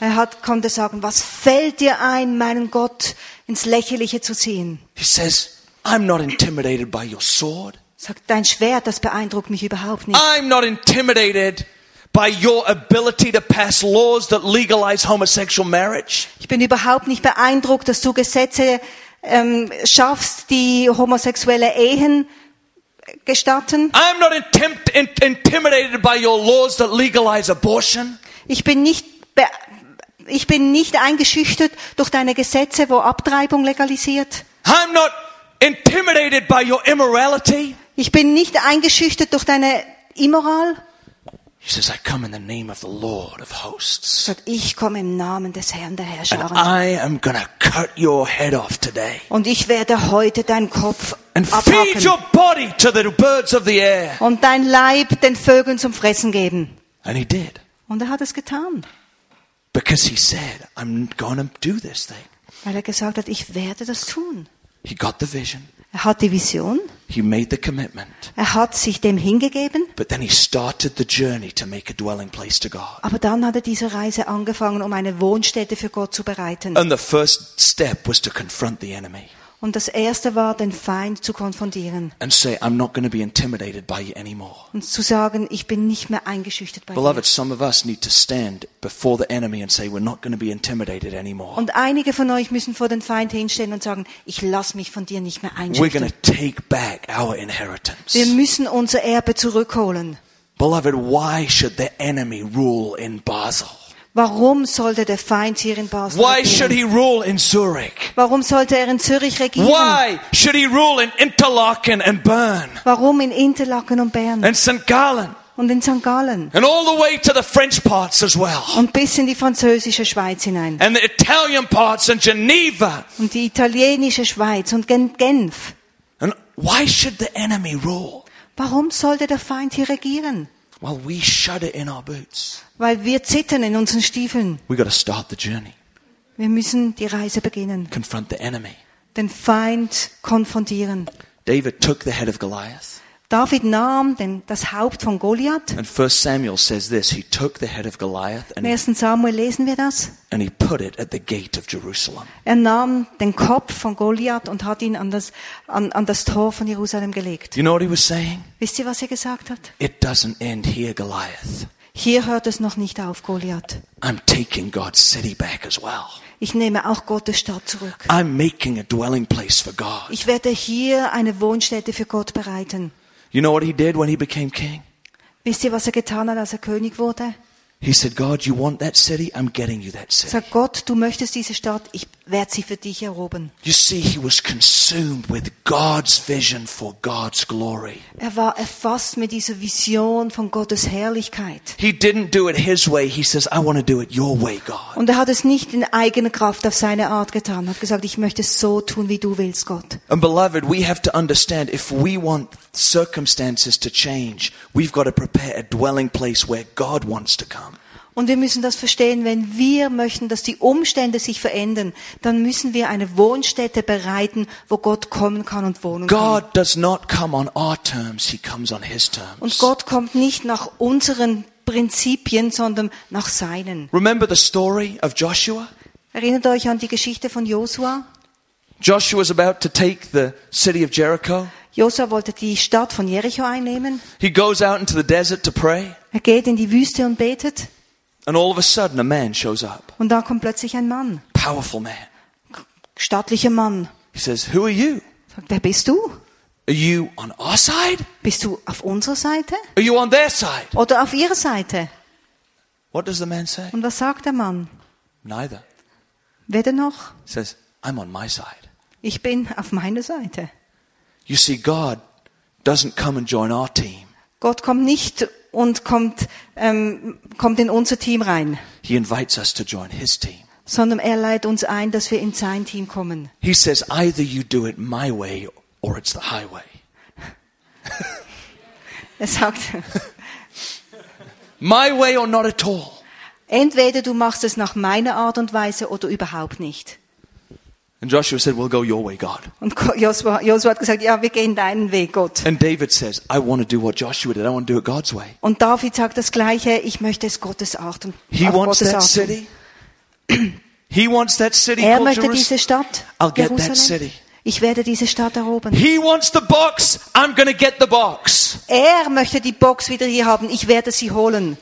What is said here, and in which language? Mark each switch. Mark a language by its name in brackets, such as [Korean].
[German] Er hat konnte sagen, was fällt dir ein, meinen Gott ins Lächerliche zu ziehen? [English] He says, I'm not intimidated by your sword. [German] Sagt, dein Schwert, das beeindruckt mich überhaupt nicht. [English] I'm not intimidated by your ability to pass laws that legalize homosexual marriage. [German] Ich bin überhaupt nicht beeindruckt, dass du Gesetze schaffst, die homosexuelle Ehen gestatten. [English] I'm not intimidated by your laws that legalize abortion. [German] Ich bin nicht eingeschüchtert durch deine Gesetze, wo Abtreibung legalisiert. [English] I'm not intimidated by your immorality. [German] Ich bin nicht eingeschüchtert durch deine Immoral. [English] He says, I come in the name of the Lord of hosts. [German] Sagt, ich komme im Namen des Herrn der Herrscher. [English] And I am gonna cut your head off today. [German] Und ich werde heute deinen Kopf and abhacken. [English] Feed your body to the birds of the air. [German] Und dein Leib den Vögeln zum Fressen geben. [English] And he did. [German] Und er hat es getan. [English] Because he said, I'm gonna do this thing. [German] Weil er gesagt hat, ich werde das tun. [English] He got the vision. [German] Er hat die Vision. [English] He made the commitment. [German] Er hat sich dem hingegeben. [English] But then he started the journey to make a dwelling place to God. [German] Aber dann hat er diese Reise angefangen, um eine Wohnstätte für Gott zu bereiten. [English] And the first step was to confront the enemy. [German] Und das erste war, den Feind zu konfrontieren. [English] And say, I'm not going to be intimidated by you anymore. [German] Und zu sagen, ich bin nicht mehr eingeschüchtert bei dir. [English] Beloved, some of us need to stand before the enemy and say, we're not going to be intimidated anymore. [German] Und einige von euch müssen vor den Feind hinstellen und sagen, ich lasse mich von dir nicht mehr einschüchtern. [English] We're going to take back our inheritance. [German] Wir müssen unser Erbe zurückholen. [English] Beloved, why should the enemy rule in Basel? [German] Warum sollte der Feind hier in Basel regieren? [English] Why should he rule in Zurich? [German] Warum sollte er in Zürich regieren? [English] Why should he rule in Interlaken and Bern? [German] Warum in Interlaken und Bern? [English] And St. Gallen. [German] Und in St. Gallen. [English] And all the way to the French parts as well. [German] Und bis in die französische Schweiz hinein. [English] And the Italian parts and Geneva. [German] Und die italienische Schweiz und Genf. [English] And why should the enemy rule? [German] Warum sollte der Feind hier regieren? [English] Well, we shudder in our boots. [German] Weil wir zittern in unseren Stiefeln. [English] We got to start the journey. [German] Wir müssen die Reise beginnen. [English] Confront the enemy. [German] Den Feind konfrontieren. [English] David took the head of Goliath. [German] David nahm das Haupt von Goliath. [English] And 1 Samuel says this, he took the head of Goliath and [German] 1. Samuel lesen wir das. [English] And he put it at the gate of Jerusalem. [German] Er nahm den Kopf von Goliath und hat ihn an das Tor von Jerusalem gelegt. [English] You know what he was saying? [German] Wisst ihr, was er gesagt hat? [English] It doesn't end here, Goliath. [German] Hier hört es noch nicht auf, Goliath. [English] I'm taking God's city back as well. [German] Ich nehme auch Gottes Stadt zurück. [English] I'm making a dwelling place for God. [German] Ich werde hier eine Wohnstätte für Gott bereiten. [English] You know what he did when he became king? [German] Wisst ihr, was er getan hat, als er König wurde? [English] He said, God, you want that city? I'm getting you that city. [German] Sag Gott, du möchtest diese Stadt, ich werde sie für dich erobern. [English] You see, he was consumed with God's vision for God's glory. [German] Er war erfasst mit dieser Vision von Gottes Herrlichkeit. [English] He didn't do it his way. He says, I want to do it your way, God. [German] Und er hat es nicht in eigener Kraft auf seine Art getan. Er hat gesagt, ich möchte es so tun, wie du willst, Gott. [English] And beloved, we have to understand, if we want circumstances to change, we've got to prepare a dwelling place where God wants to come. [German] Und wir müssen das verstehen, wenn wir möchten, dass die Umstände sich verändern, dann müssen wir eine Wohnstätte bereiten, wo Gott kommen kann und wohnen kann. [English] God does not come on our terms, he comes on his terms. [German] Und Gott kommt nicht nach unseren Prinzipien, sondern nach seinen. [English] Remember the story of Joshua? [German] Erinnert euch an die Geschichte von Joshua? [English] Joshua is about to take the city of Jericho. [German] Josua wollte die Stadt von Jericho einnehmen. [English] He goes out into the desert to pray. [German] Er geht in die Wüste und betet. [English] And all of a sudden a man shows up. [German] Und da kommt plötzlich ein Mann. [English] Powerful man. [German] Stattlicher Mann. [English] He says, "Who are you?" [German] Sagt, wer bist du? [English] Are you on our side? [German] Bist du auf unserer Seite? [English] Are you on their side? [German] Oder auf ihrer Seite? [English] What does the man say? [German] Und was sagt der Mann? [English] Neither. [German] Weder noch. [English] He says, "I'm on my side." [German] Ich bin auf meiner Seite. [English] You see, God doesn't come and join our team. [German] Gott kommt nicht und kommt in unser Team rein. [English] He invites us to join his team. [German] Sondern er lädt uns ein, dass wir in sein Team kommen. [English] He says, either you do it my way or it's the highway. [German] Er sagt, [English] my way or not at all. [German] Entweder du machst es nach meiner Art und Weise oder überhaupt nicht. [English] And Joshua said, "We'll go your way, God." [German] Und Joshua hat gesagt, ja, wir gehen deinen Weg, Gott. [English] And David says, "I want to do what Joshua did. I want to do it God's way." [German] Und David sagt das gleiche, ich möchte es Gottes Art und [English] He wants [German] Gottes [English] that [German] Art. [English] City. He wants that city. [German] Er möchte diese Stadt. [English] I'll get that city. [German] Ich werde diese Stadt erobern. [English] He wants the box. I'm going to get the box. [German] Er möchte die Box wieder hier haben. Ich werde sie holen.